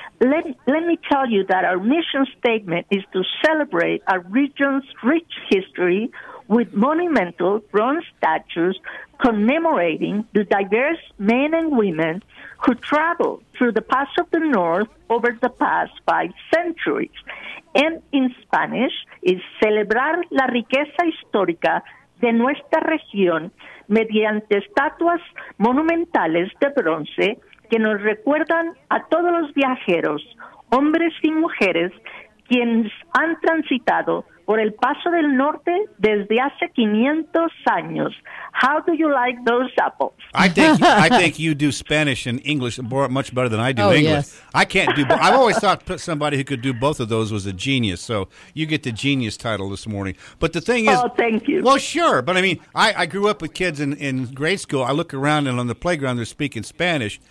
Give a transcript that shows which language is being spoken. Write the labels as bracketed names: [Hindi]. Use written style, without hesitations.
[English] Let me tell you that our mission statement is to celebrate our region's rich history with monumental bronze statues commemorating the diverse men and women who traveled through the Paso of the North over the past five centuries. And in Spanish, is [Spanish] celebrar la riqueza histórica de nuestra región mediante estatuas monumentales de bronce que nos recuerdan a todos los viajeros, hombres y mujeres, quienes han transitado por el Paso del Norte desde hace 500 años. [English] How do you like those apples? I think you do Spanish and English much better than I do English. Yes. I can't do both. I've always thought somebody who could do both of those was a genius. So you get the genius title this morning. But the thing is... Oh, thank you. Well, sure. But I mean, I grew up with kids in grade school. I look around and on the playground they're speaking Spanish.